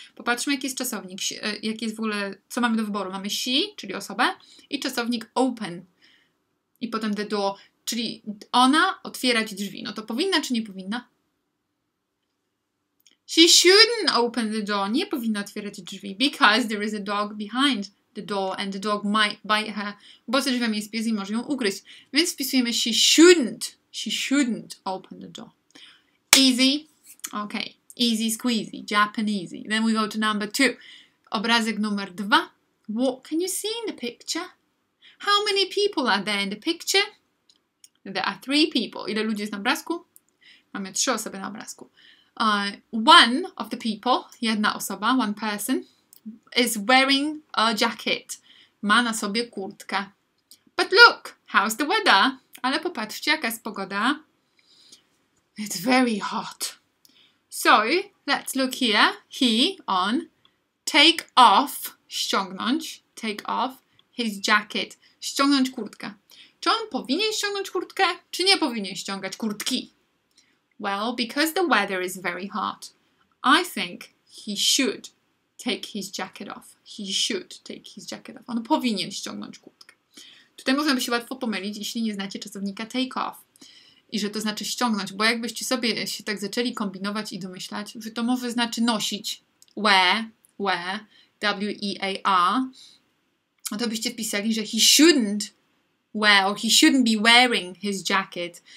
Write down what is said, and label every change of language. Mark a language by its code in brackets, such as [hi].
[pl] Popatrzmy, jaki jest czasownik. Jaki jest w ogóle, co mamy do wyboru? Mamy she, czyli osobę, i czasownik open. I potem the door. Czyli ona otwierać drzwi. No to powinna, czy nie powinna? [en] She shouldn't open the door. [pl] Nie powinna otwierać drzwi. [en] Because there is a dog behind the door and the dog might bite her. [pl] Bo za drzwiami jest pies i może ją ugryźć. Więc wpisujemy [en] she shouldn't. She shouldn't open the door. Easy. Okay. Easy squeezy. Japanese. Then we go to number two. [pl] Obrazek numer dwa. [en] What can you see in the picture? How many people are there in the picture? There are three people. [pl] Ile ludzi jest na obrazku? Mamy trzy osoby na obrazku. [en] One of the people, [pl] jedna osoba, [en] one person, is wearing a jacket. [pl] Ma na sobie kurtkę. [en] But look, how's the weather? [pl] Ale popatrzcie, jaka jest pogoda. [en] It's very hot. So, let's look here. He, on, take off, ściągnąć, take off his jacket. [pl] Ściągnąć kurtkę. Czy on powinien ściągnąć kurtkę, czy nie powinien ściągać kurtki? [en] Well, because the weather is very hot, I think he should take his jacket off. He should take his jacket off. [pl] On powinien ściągnąć kurtkę. Tutaj można by się łatwo pomylić, jeśli nie znacie czasownika take off. I że to znaczy ściągnąć, bo jakbyście sobie się tak zaczęli kombinować i domyślać, że to może znaczy nosić. Wear, W-E-A-R. To byście pisali, że [en] he shouldn't wear or he shouldn't be wearing his jacket.